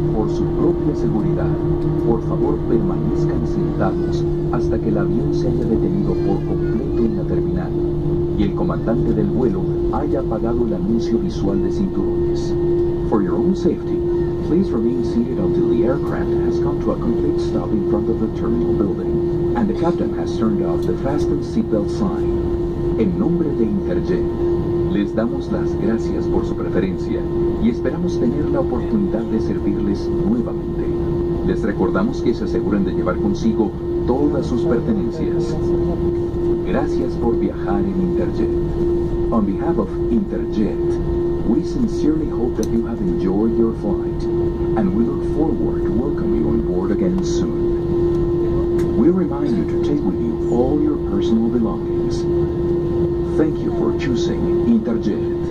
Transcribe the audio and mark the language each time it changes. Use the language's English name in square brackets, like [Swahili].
[Spanish] Por su propia seguridad, por favor permanezcan sentados hasta que el avión se haya detenido por completo en la terminal y el comandante del vuelo haya apagado el anuncio visual de cinturones. [English] For your own safety, please remain seated until the aircraft has come to a complete stop in front of the terminal building and the captain has turned off the fasten seatbelt sign. [Spanish] En nombre de Interjet, les damos las gracias por su preferencia y esperamos tener la oportunidad de servirles nuevamente. Les recordamos que se aseguren de llevar consigo todas sus pertenencias. Gracias por viajar en Interjet. [English] On behalf of Interjet, we sincerely hope that you have enjoyed your flight and we look forward to welcoming you on board again soon. We remind you to take with you all your personal belongings. Thank you for choosing Interjet.